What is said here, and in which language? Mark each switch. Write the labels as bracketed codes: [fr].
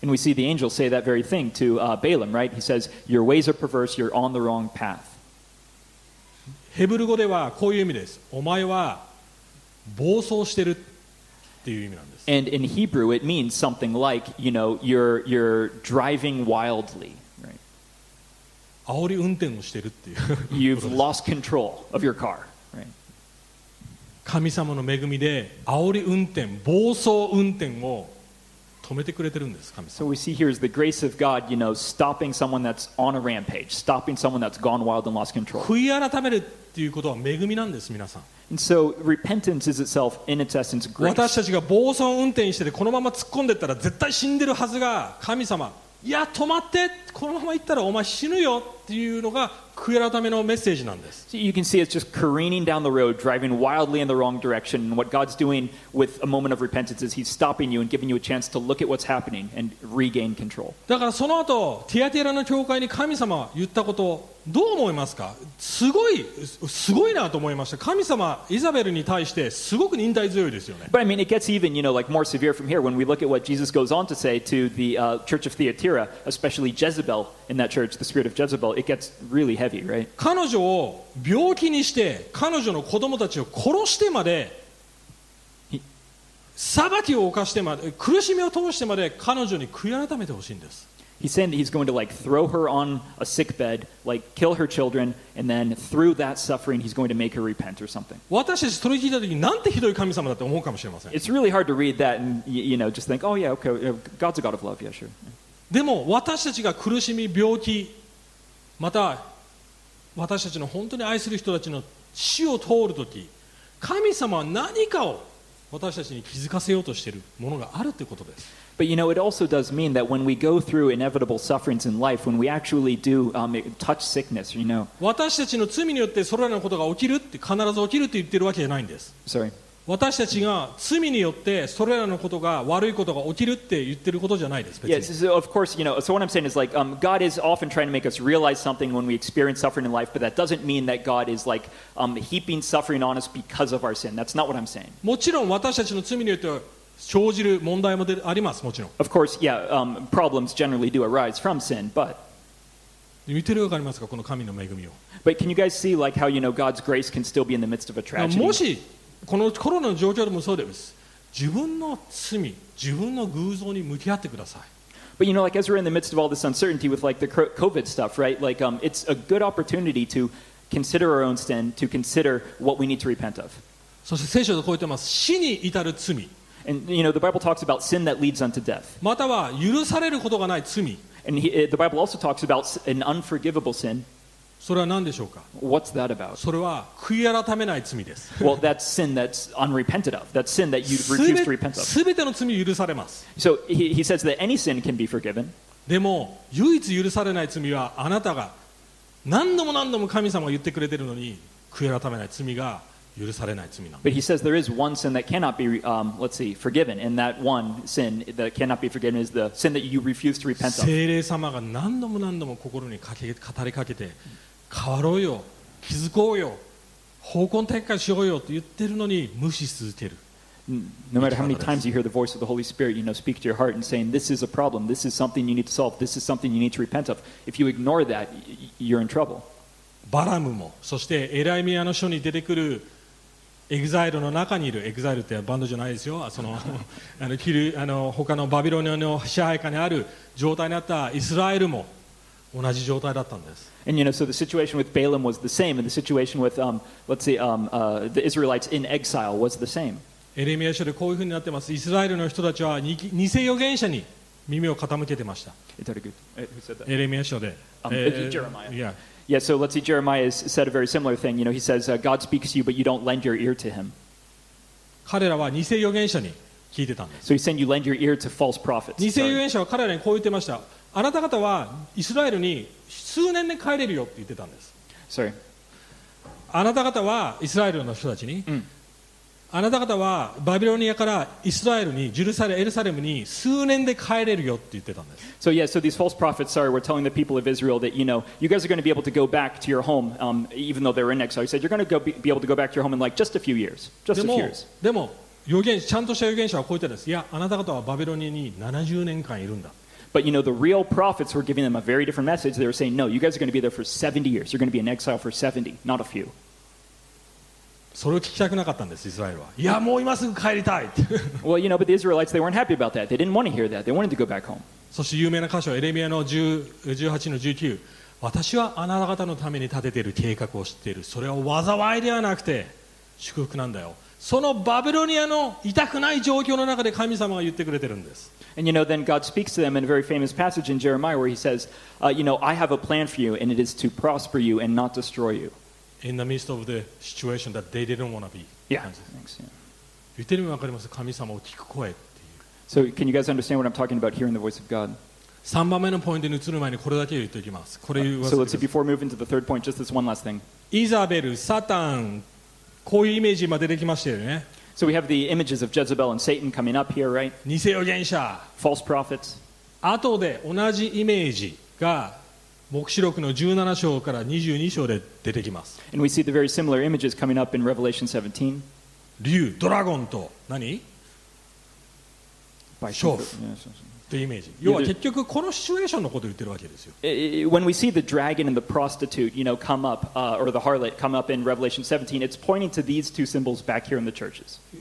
[en] And we see the angel say that very thing to Balaam, right? He says, Your ways are perverse, you're on the wrong path. [ja] ヘブル語ではこういう意味です。お前は暴走してるっていう意味なんです。 [en] And in Hebrew, it means something like, you know, you're driving wildly, right? [ja] 煽り運転をしてるっていう。 [en] You've lost control of your car. [ja] 神様の恵みで煽り運転、暴走運転を止めてくれてるんです、神様。 [en] So we see here is the grace of God, you know, stopping someone that's on a rampage, stopping someone that's gone wild and lost control. [ja] 悔い改めるっていうことは恵みなんです、皆さん。 [en] And so repentance is itself, in its essence, grace. [ja] 私たちが暴走運転しててこのまま突っ込んでったら絶対死んでるはずが、神様、いや止まって、このまま行ったらお前死ぬよっていうのが悔い改めのメッセージなんです。 [en] So、you can see it's just careening down the road, driving wildly in the wrong direction. And what God's doing with a moment of repentance is He's stopping you and giving you a chance to look at what's happening and regain control. [ja] だからその後、ティアティラの教会に神様は言ったことをどう思いますか？すごい、すごいなと思いました。神様、イザベルに対してすごく忍耐強いですよね。 [en] But I mean, it gets even, you know, like more severe from here when we look at what Jesus goes on to say to the、church of Thyatira, especially Jezebel in that church, the spirit of Jezebel. It gets really heavy, right? [ja] 彼女を病気にして、彼女の子供たちを殺してまで、裁きを犯してまで、苦しみを通してまで彼女に悔い改めてほしいんです。 [en] He's saying that he's going to like throw her on a sick bed, like kill her children, and then through that suffering, he's going to make her repent or something. [ja] 私たちそれ聞いた時、なんてひどい神様だって思うかもしれません。 [en] It's really hard to read that and you know just think, oh yeah, okay, God's a God of love, yeah, sure. [ja] でも私たちが苦しみ、病気、また私たちの本当に愛する人たちの死を通る時、神様は何かを私たちに気づかせようとしているものがあるということです。 [en] But you know, it also does mean that when we go through inevitable sufferings in life, when we actually do touch sickness, you know. [ja] 私たちの罪によってそれらのことが起きるって必ず起きるって言ってるわけじゃないんです。 [en] Sorry. [ja] 私たちが罪によってそれらのことが悪いことが起きるって言ってることじゃないです。 [en] Yes, so of course, you know. So what I'm saying is like, God is often trying to make us realize something when we experience suffering in life, but that doesn't mean that God is like heaping suffering on us because of our sin. That's not what I'm saying. [ja] もちろん私たちの罪によって生じる問題もあります、もちろん。 [en] Of course, yeah, problems generally do arise from sin, but... [ja] 見てるわかりますか、この神の恵みを。 [en] But can you guys see, like, how, you know, God's grace can still be in the midst of a tragedy? [ja] もし、このコロナの状況でもそうです。自分の罪、自分の偶像に向き合ってください。 [en] But, you know, like, as we're in the midst of all this uncertainty with, like, the COVID stuff, right? Like, it's a good opportunity to consider our own sin, to consider what we need to repent of. [ja] そして聖書でこう言ってます。死に至る罪。 [en] And you know the Bible talks about sin that leads unto death. [ja] または許されることがない罪。 [en] And the Bible also talks about an unforgivable sin. [ja] それは何でしょうか。 [en] What's that about? [ja] それは悔い改めない罪です。 [en] Well, that's sin that's unrepented of. That's sin that you refuse to repent of. [ja] すべての罪許されます。 [en] So he says that any sin can be forgiven. [ja] でも唯一許されない罪はあなたが何度も何度も神様が言ってくれてるのに悔い改めない罪が。 [en] But he says there is one sin that cannot be, let's see, forgiven. And that one sin that cannot be forgiven is the sin that you refuse to repent of. [ja] 聖霊様が何度も何度も心に語りかけて、変わろうよ、気づこうよ、方向転換しようよと言ってるのに無視し続ける。 [en] No matter how many times you hear the voice of the Holy Spirit, you know, speak to your heart and saying, this is a problem, this is something you need to solve, this is something you need to repent of. If you ignore that, you're in trouble. [ja] バラムもそしてエライミアの書に出てくるエグザイルの中にいるエグザイルってバンドじゃないですよそのあの他のバビロニアの支配下にある状態にあったイスラエルも同じ状態だったんです [en] And you know, so the situation with Balaam was the same and the situation with, let's see, the Israelites in exile was the same [ja] エレミア書でこういうふうになってますイスラエルの人たちは偽預言者に耳を傾けてましたエレミア書で、 [en] Jeremiah、yeah. Yeah, so let's see, Jeremiah said a very similar thing. You know, he says, God speaks to you, but you don't lend your ear to him. [ja] 彼らは偽預言者に聞いてたんです。 [en] So he's saying you lend your ear to false prophets. [ja] 偽預言者は彼らにこう言ってました。あなた方はイスラエルに数年で帰れるよって言ってたんです。 [en] Sorry. [ja] あなた方はイスラエルの人たちに、 mm. あなた方はバビロニアからイスラエルに、ジュルサレ、エルサレムに数年で帰れるよって言ってたんです。 [en] So yeah, so these false prophets, sorry, were telling the people of Israel that, you know, you guys are going to be able to go back to your home, even though they were in exile. He said, you're going to go be able to go back to your home in like just a few years. Just a few years. [ja] でも、ちゃんとした預言者はこう言ってたんです。いや、あなた方はバビロニアに70年間いるんだ。 [en] But you know, the real prophets were giving them a very different message. They were saying, no, you guys are going to be there for 70 years. You're going to be in exile for 70, not a few. [ja] それを聞きたくなかったんです、イスラエルは。いや、もう今すぐ帰りたい。 [en] Well, you know, but the Israelites, they weren't happy about that. They didn't want to hear that. They wanted to go back home. [ja] そして有名な箇所、エレミアの18-19。私はあなた方のために立てている計画を知っている。それは災いではなくて、祝福なんだよ。そのバビロニアの痛くない状況の中で神様が言ってくれてるんです。 [en] And you know, then God speaks to them in a very famous passage in Jeremiah where he says, you know, I have a plan for you, and it is to prosper you and not destroy you. in the midst of the situation that they didn't want to be. Yeah. Thanks. Yeah. [ja] 言ってる意味分かります?神様を聞く声っていう。 [en] So can you guys understand what I'm talking about hearing the voice of God? [ja] 3番目のポイントに移る前にこれだけ言っておきます。これ言わせてください。 [en] So let's see, before moving to the third point, just this one last thing. [ja] イザベル、サタン、こういうイメージ今出てきましたよね。 [en] So we have the images of Jezebel and Satan coming up here, right? [ja] 偽予言者。 [en] False prophets. [ja] 後で同じイメージが黙示録の17章から22章で出てきます。 [en] And we see the very similar images coming up in Revelation 17. [ja] 竜、ドラゴンと何? 勝負。というイメージ。要は結局このシチュエーションのことを言ってるわけですよ。 [en] When we see the dragon and the prostitute, you know, come up, or the harlot come up in Revelation 17, it's pointing to these two symbols back here in the churches.